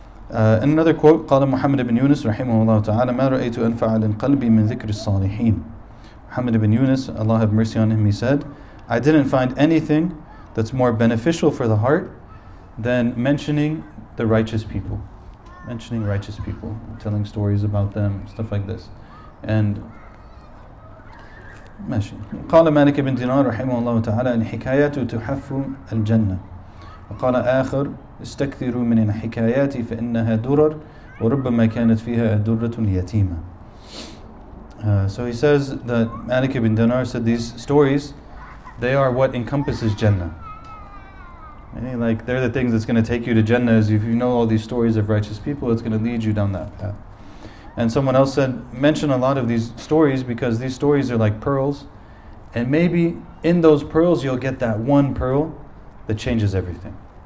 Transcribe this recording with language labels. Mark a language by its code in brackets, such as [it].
[en] And another quote, [ar] قَالَ مُحَمَّدْ بِنْ يُونَسْ رَحِيمُهُ اللَّهُ تَعَالَى مَا رَأَيْتُ أَنْفَعَ لِلْقَلْبِ مِنْ ذِكْرِ الصَّالِحِينَ. [en] Muhammad ibn Yunus, Allah have mercy on him, he said, I didn't find anything that's more beneficial for the heart than mentioning the righteous people. Mentioning righteous people, telling stories about them, stuff like this. [ar] And قَالَ مَالِكَ بِنْ دِنَارُ رَحِيمُهُ اللَّهُ تَعَالَى أَنْ حِكَايَةُ تُحَفُّ الْجَنَّةِ وقال آخر استكثروا من الحكايات فإنها درر وربما كانت فيها درة يتيمة. [en] So he says that Malik ibn Dinar said these stories, they are what encompasses Jannah. Meaning like they're the things that's going to take you to Jannah, is if you know all these stories of righteous people, it's going to lead you down that path. And someone else said, mention a lot of these stories because these stories are like pearls, and maybe in those pearls you'll get that one pearl that changes everything.